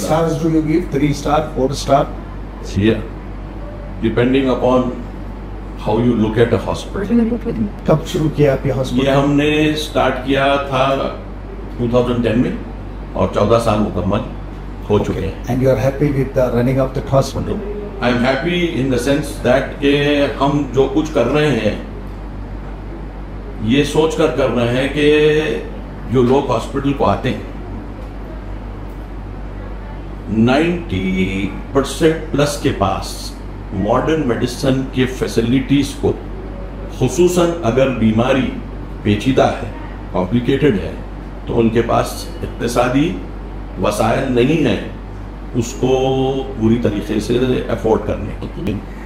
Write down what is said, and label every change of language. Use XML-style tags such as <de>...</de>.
<en>Stars do you give? 3 star 4 star؟ See depending upon how you look at a hospital.</en> <ur>کب شروع کیا آپ یہ ہاسپٹل؟ یہ ہم نے اسٹارٹ کیا تھا 2010 میں، اور 14 سال مکمل ہو چکے ہیں.</ur> <en>And you are happy with the running of the hospital? I am happy in the sense that</en> <ur>کہ ہم جو کچھ کر رہے ہیں یہ سوچ کر رہے ہیں کہ جو لوگ ہاسپٹل کو آتے ہیں 90% پلس کے پاس ماڈرن میڈیسن کے فیسلٹیز کو، خصوصاً اگر بیماری پیچیدہ ہے، کمپلیکیٹڈ ہے، تو ان کے پاس اقتصادی وسائل نہیں ہیں اس کو پوری طریقے سے افورڈ کرنے کے.</ur>